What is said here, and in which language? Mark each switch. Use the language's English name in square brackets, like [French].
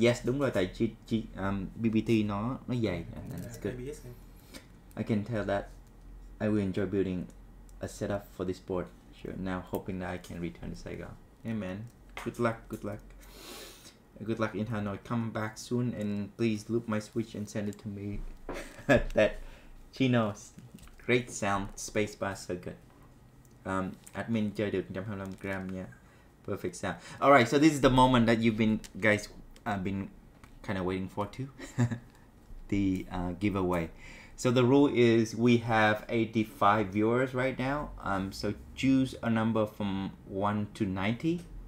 [Vietnamese] Yes, đúng rồi, tại BBT nó dày. [English] And it's good. I can tell that I will enjoy building a setup for this board. Sure. Now hoping that I can return to Sega. Hey man, good luck. good luck in Hanoi. Come back soon and please loop my switch and send it to me. That Chino, great sound, space bar so good. [Vietnamese] Admin chơi được 125 gram nha. [English] Perfect sound. All right, so this is the moment that you've been guys been kind of waiting for too. The giveaway. So the rule is we have 85 viewers right now. So choose a number from 1 to 90.